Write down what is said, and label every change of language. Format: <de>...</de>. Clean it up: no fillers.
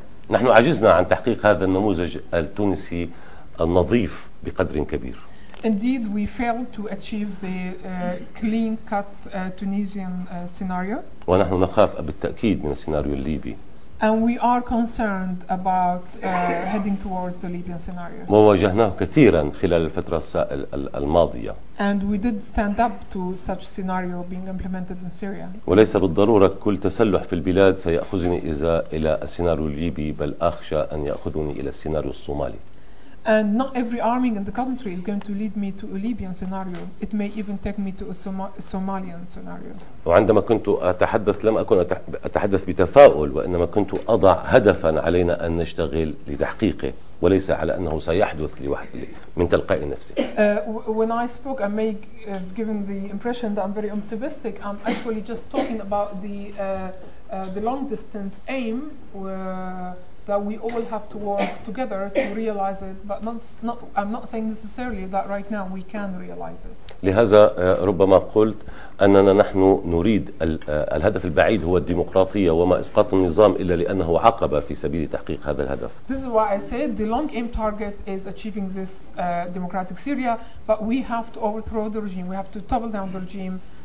<ar>نحن عجزنا عن تحقيق هذا النموذج التونسي النظيف بقدر كبير.</ar> <en>Indeed, we failed to achieve the clean-cut Tunisian scenario.</en> <ar>ونحن نخاف بالتأكيد من السيناريو الليبي.</ar> <en>And we are concerned about heading towards the Libyan scenario.</en> <ar>وواجهناه كثيرا خلال الفترة الماضية.</ar> <en>And we did stand up to such scenario being implemented in Syria.</en> <ar>وليس بالضرورة كل تسلح في البلاد سيأخذني إلى السيناريو الليبي بل أخشى أن يأخذني إلى السيناريو الصومالي.</ar> <en>And not every arming in the country is going to lead me to a Libyan scenario. It may even take me to a Somalian scenario.</en> <ar>وعندما كنت أتحدث لم أكن أتحدث بتفاؤل وإنما كنت أضع هدفا علينا أن نشتغل لتحقيقه وليس على أنه سيحدث لوحد من تلقاء نفسه.</ar> <en>When I spoke, I may given the impression that I'm very optimistic. I'm actually just talking about the long distance aim. That we all have to work together to realize it, but not. I'm not saying necessarily that right now we can realize it.</en> <ar>لهذا ربما قلت أننا نحن نريد الهدف البعيد هو الديمقراطية وما إسقاط النظام إلا لأنه عقبة في سبيل تحقيق هذا الهدف.</ar> <en>This is why I said the long aim target is achieving this democratic Syria, but we have to overthrow the regime. We have to topple down the regime.</en>